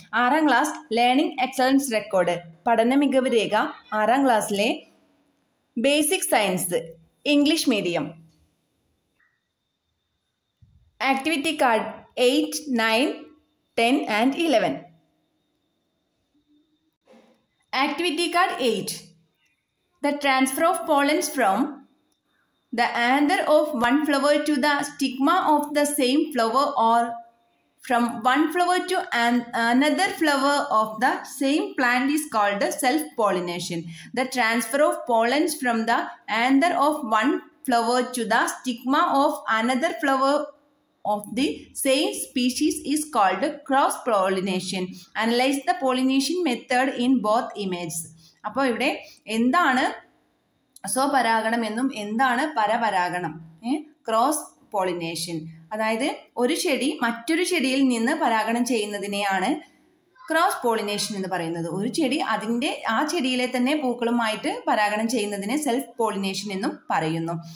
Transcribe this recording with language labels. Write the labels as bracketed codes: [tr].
[ml] ആറാം class learning excellence record, പഠന മികവ് രേഖ, ആറാം ക്ലാസ്സിലെ basic science English medium activity card 8, 9, 10 and 11. [en] Activity card 8. The transfer of pollens from the anther of one flower to the stigma of the same flower or from one flower to another flower of the same plant is called the self-pollination. The transfer of pollens from the anther of one flower to the stigma of another flower of the same species is called cross pollination. Analyze the pollination method in both images. [ml] അപ്പോൾ ഇവിടെ എന്താണ് സ്വപരാഗണം എന്നും എന്താണ് പരപരാഗണം, cross pollination, അതായത് ഒരു ചെടി മറ്റൊരു ചെടിയിൽ നിന്ന് പരാഗണം ചെയ്യുന്നതിനെയാണ് ക്രോസ് പോളിനേഷൻ എന്ന് പറയുന്നത്. ഒരു ചെടി അതിൻ്റെ ആ ചെടിയിലെ തന്നെ പൂക്കളുമായിട്ട് പരാഗണം ചെയ്യുന്നതിനെ സെൽഫ് പോളിനേഷൻ എന്നും പറയുന്നു.